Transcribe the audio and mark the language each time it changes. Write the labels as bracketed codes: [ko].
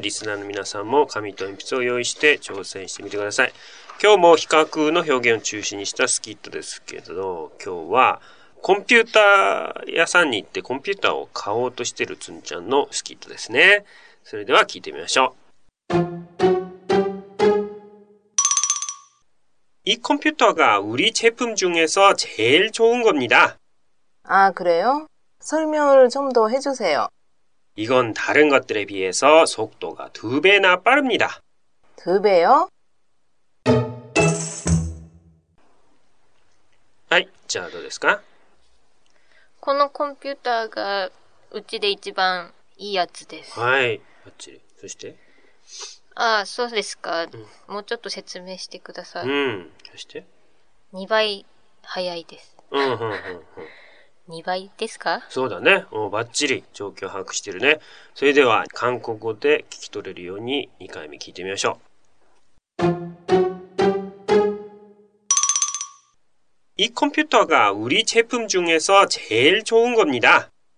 [ja] リスナーの皆さんも紙と鉛筆を用意して挑戦してみてください。今日も比較の表現を中心にしたスキットですけど、今日はコンピューター屋さんに行ってコンピューターを買おうとしてるつんちゃんのスキットですね。それでは聞いてみましょう。 [ko] 이컴퓨터가우리제품중에서제일좋은겁니다。 아그래요？ 설명을좀더해주세요。 이건다른것들에비해서속도가두배나빠릅니다。 두배요？ [ja] はい、じゃあどうですか？このコンピューターがうちで一番いいやつです。はい、バッチリ。そして？あ、そうですか、うん、もうちょっと説明してください、うん、そして 2倍早いです、うんうんうんうん、 2倍ですか、そうだね、もうバッチリ状況把握してるね。それでは韓国語で聞き取れるように2回目聞いてみましょう。 [ko] 이컴퓨터가우리제품중에서제일좋은겁니다。